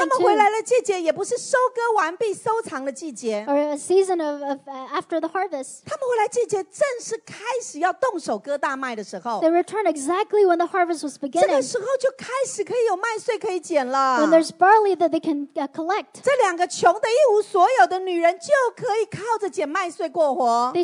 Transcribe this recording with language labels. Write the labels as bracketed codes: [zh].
[zh] 他们回来的季节也不是收割完毕收藏的季节 [en] Or a season of after the harvest [zh] 他们回来季节正是开始要动手割大麦的时候 [en] They returned exactly when the harvest was beginning [zh] 这个时候就开始可以有麦穗可以捡了 [en] When there's barley that they can collect [zh] 这两个穷得一无所有的女人就可以靠着捡麦穗过活